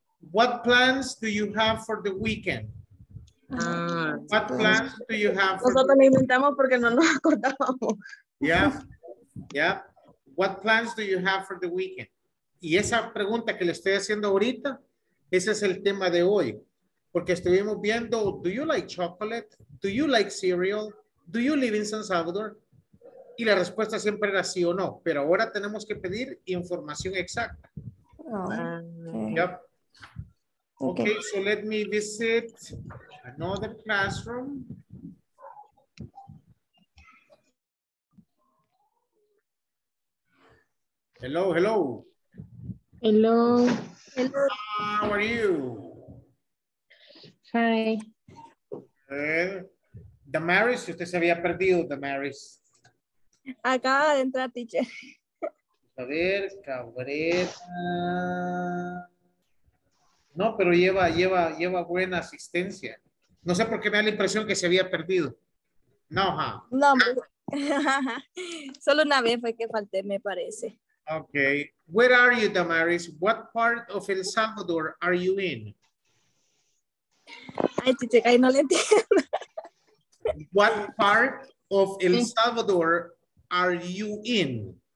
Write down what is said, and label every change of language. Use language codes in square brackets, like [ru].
[en] What plans do you have for the weekend? What plans do you have [es] for Nosotros lo inventamos porque no nos acordábamos. [en] Yeah, yeah. What plans do you have for the weekend? [es] Y esa pregunta que le estoy haciendo ahorita, ese es el tema de hoy. Porque estuvimos viendo, [en] do you like chocolate? Do you like cereal? Do you live in San Salvador? [es] Y la respuesta siempre era sí o no, pero ahora tenemos que pedir información exacta. [en] Oh, okay. Yep. Okay, so let me visit another classroom. Hello, hello. Hello. How are you? Hi. [es] Damaris, usted se había perdido, Damaris. Acaba de entrar, teacher. A ver, Cabrera. No, pero lleva buena asistencia. No sé por qué me da la impresión que se había perdido. No, ¿ha? No, solo una vez fue que falté, me parece. [en] Okay. Where are you, Damaris? What part of El Salvador are you in? [es] Ay, chiche, ay, no le entiendo. [en] What part of El Salvador are you in?